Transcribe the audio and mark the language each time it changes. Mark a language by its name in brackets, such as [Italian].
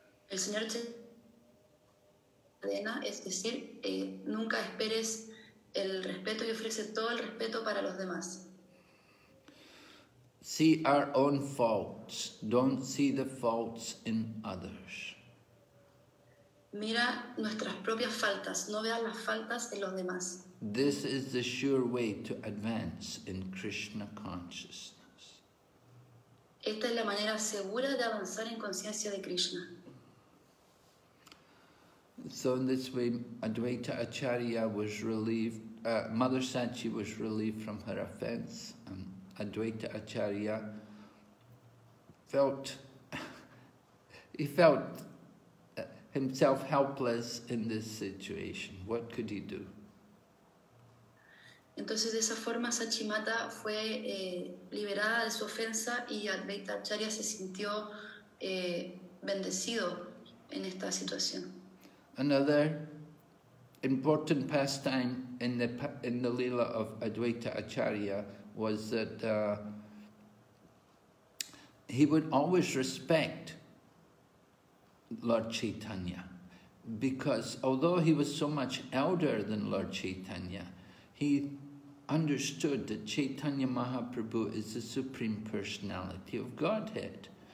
[Spanish] El señor es decir, nunca esperes el respeto y ofrece todo el respeto para los demás. [English] See our own faults, don't see the faults in others. [Spanish] Mira nuestras propias faltas, no veas las faltas en los demás. [English] This is the sure way to advance in Krishna consciousness. [Spanish] Esta es la manera segura de avanzar en conciencia de Krishna. [English] So in this way, Advaita Acharya was relieved, Mother Sachi was relieved from her offense, and Advaita Acharya felt himself helpless in this situation. What could he do? [Spanish] Entonces de esa forma Sachimata fue liberada de su ofensa y Advaita Acharya se sintió bendecido en esta situación. [English] Another important pastime in the Leela of Advaita Acharya was that he would always respect Lord Chaitanya, because although he was so much elder than Lord Chaitanya, he understood that Chaitanya Mahaprabhu is the Supreme Personality of Godhead.